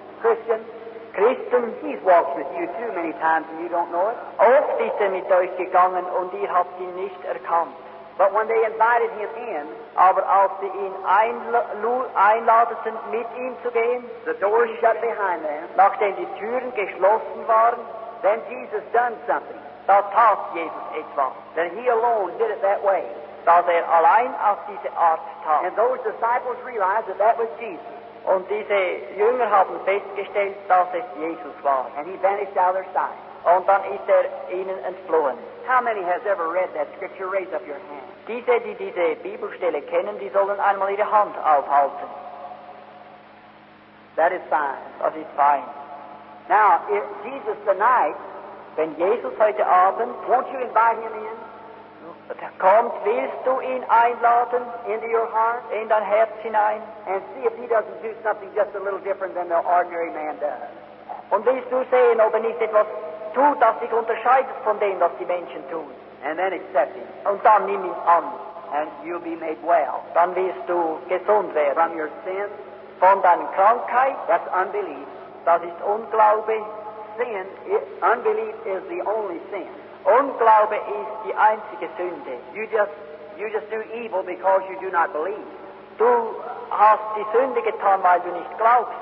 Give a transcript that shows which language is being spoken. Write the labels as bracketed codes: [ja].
[en] Christian, he's walked with you too many times and you don't know it. [de] Oft ist mit euch gegangen und habt ihn nicht erkannt. [en] But when they invited him in, [de] aber als sie ihn einladeten, mit ihm zu gehen, [en] the door shut behind them, [de] nachdem die Türen geschlossen waren, [en] then Jesus done something. [de] Da tat Jesus etwas. [en] That he alone did it that way. [de] Dass allein auf diese Art tat. [en] And those disciples realized that that was Jesus. [de] Und diese Jünger haben festgestellt, dass es Jesus war. [en] And he vanished out of their sight. [de] Und dann ist ihnen entflohen. [en] How many has ever read that scripture? Raise up your hand. [de] Diese, die diese Bibelstelle kennen, die sollen einmal ihre Hand aufhalten. [en] That is fine. [de] Das ist fein. [en] Now, if Jesus tonight, [de] wenn Jesus heute Abend, [en] won't you invite him in? [de] Kommt, willst du ihn einladen [en] into your heart, [de] in dein Herz hinein? [en] And see if he doesn't do something just a little different than the ordinary man does. [de] Und willst du sehen, ob er nicht etwas tut, das sich unterscheidet von dem, was die Menschen tun? [en] And then accept him. [de] Und dann nimm ihn an. [en] And you'll be made well. [de] Dann wirst du gesund werden. [en] From your sin. [de] Von deiner Krankheit. [en] That's unbelief. [de] Das ist Unglaube. [en] Sin. Unbelief is the only sin. [de] Unglaube ist die einzige Sünde. [en] You just do evil because you do not believe. [de] Du hast die Sünde getan, weil du nicht glaubst.